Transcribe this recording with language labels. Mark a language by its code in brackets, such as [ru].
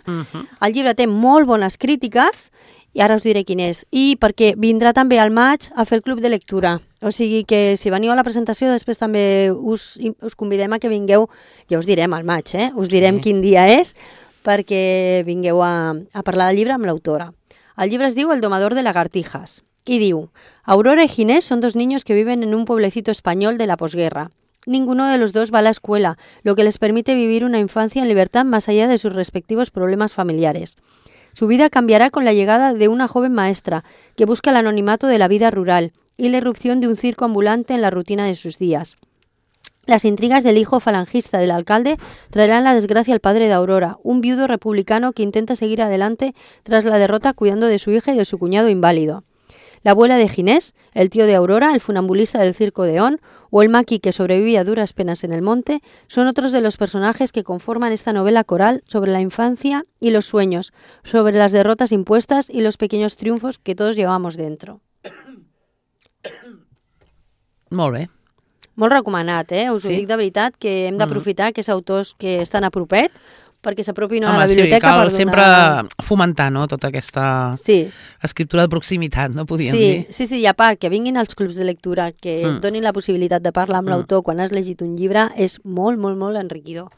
[ca] El llibre té molt bones crítiques, i ara us diré quin és, i perquè vindrà també al maig a fer el club de lectura. O sigui que si veniu a la presentació, després també us, us convidem a que vingueu, ja us direm al maig, us direm quin dia és, perquè vingueu a parlar del llibre amb l'autora. El llibre es diu El domador de lagartijas y diu [es] Aurora y Ginés son dos niños que viven en un pueblecito español de la posguerra. Ninguno de los dos va a la escuela, lo que les permite vivir una infancia en libertad más allá de sus respectivos problemas familiares. Su vida cambiará con la llegada de una joven maestra que busca el anonimato de la vida rural y la irrupción de un circo ambulante en la rutina de sus días. Las intrigas del hijo falangista del alcalde traerán la desgracia al padre de Aurora, un viudo republicano que intenta seguir adelante tras la derrota cuidando de su hija y de su cuñado inválido. La abuela de Ginés, el tío de Aurora, el funambulista del circo de On, o el maqui que sobrevive a duras penas en el monte, son otros de los personajes que conforman esta novela coral sobre la infancia y los sueños, sobre las derrotas impuestas y los pequeños triunfos que todos llevamos dentro. [ca] Molt bé. Molt recomanat, eh? Us ho dic de veritat, que hem d'aprofitar aquests autors que estan a propet perquè s'apropin a la biblioteca. Home, sí, cal per sempre fomentar, no?, tota aquesta escriptura de proximitat, no podíem dir. Sí, sí, i a part, que vinguin als clubs de lectura, que donin la possibilitat de parlar amb l'autor quan has llegit un llibre, és molt, molt, molt enriquidor.